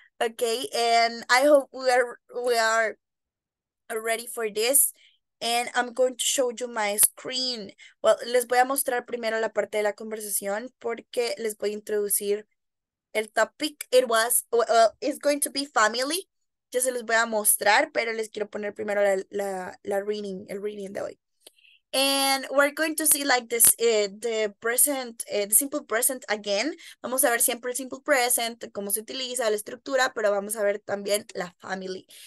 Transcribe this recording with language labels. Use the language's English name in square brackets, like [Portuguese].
[English] Okay, and I hope we are ready for this. And I'm going to show you my screen. [Spanish] Well, les voy a mostrar primero la parte de la conversación porque les voy a introducir el topic. [English] It's going to be family. [Spanish] Ya se los voy a mostrar, pero les quiero poner primero la reading, el reading de hoy. [English] And we're going to see like this, the present, the simple present again. [Spanish] Vamos a ver siempre el simple present, cómo se utiliza, la estructura, pero vamos a ver también la family.